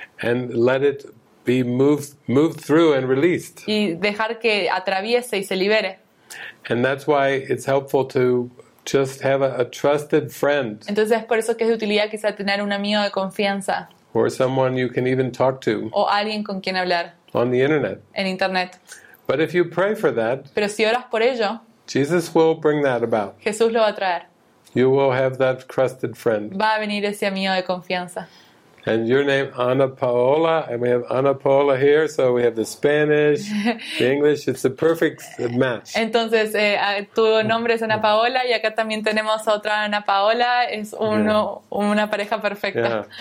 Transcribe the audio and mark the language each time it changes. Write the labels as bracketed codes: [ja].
[en] And let it be moved through and released. [es] Y dejar que atraviese y se libere. [en] And that's why it's helpful to just have a trusted friend. [es] Entonces es por eso que es de utilidad quizá tener un amigo de confianza. [en] Or someone you can even talk to. [es] O alguien con quien hablar. [en] On the internet. [es] En internet. [en] But if you pray for that. [es] Pero si oras por ello. [en] Jesus will bring that about. [es] Jesús lo va a traer. [en] You will have that trusted friend. [es] Va a venir ese amigo de confianza. [en] And your name, Ana Paola, and we have Ana Paola here, so we have the Spanish, the English, it's a perfect match. [es] Entonces, tu nombre es Ana Paola, y acá también tenemos otra Ana Paola, es una pareja perfecta.